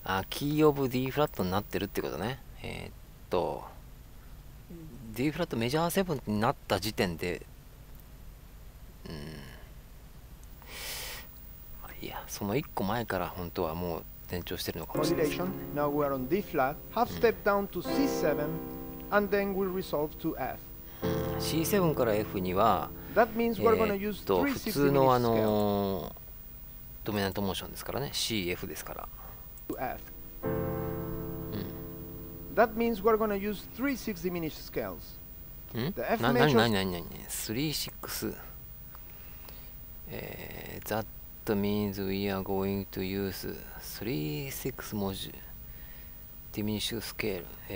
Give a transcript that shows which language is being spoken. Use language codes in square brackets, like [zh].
[ja] あ、キーオブ D フラットになってるってことね。D フラットメジャー7になった時点で、いや、その1個前から本当はもう転調してるのかもしれません。 [en] Now we are on D flat, half step down to C7, and then we resolve to F. [ja] C7 から F には、 [en] That means we're going to use [ja] 普通のドミナントモーションですからね、C、F ですから。 [en] To F. That means we're going to use 3/6 diminished scales. The F major. [ja] 何？ [en] 3/6? That means we are going to use 3/6 modulo diminished scale.